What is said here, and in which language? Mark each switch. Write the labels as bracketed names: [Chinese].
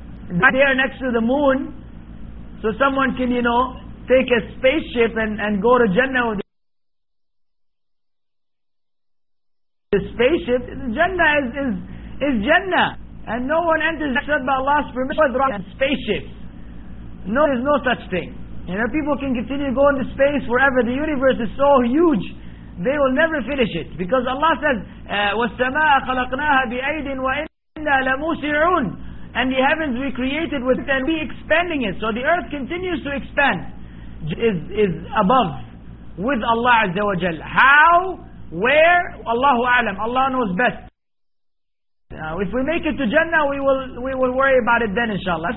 [English] They are next to the moon, so someone can, you know, take a spaceship and go to Jannah with the spaceship. Jannah is Jannah. And no one enters except by Allah's permission and spaceships. No, there's no such thing. You know, people can continue going to space forever. The universe is so huge, they will never finish it. Because Allah says, [Arabic] وَالسَّمَاءَ خَلَقْنَاهَا بِأَيْدٍ وَإِنَّا لَمُوسِعُونَ. [English] And the heavens we created with, and we expanding it. So the earth continues to expand. Is above with Allah Azza wa Jal. How? Where? Allahu A'lam. Allah knows best. If we make it to Jannah, we will worry about it then, inshallah.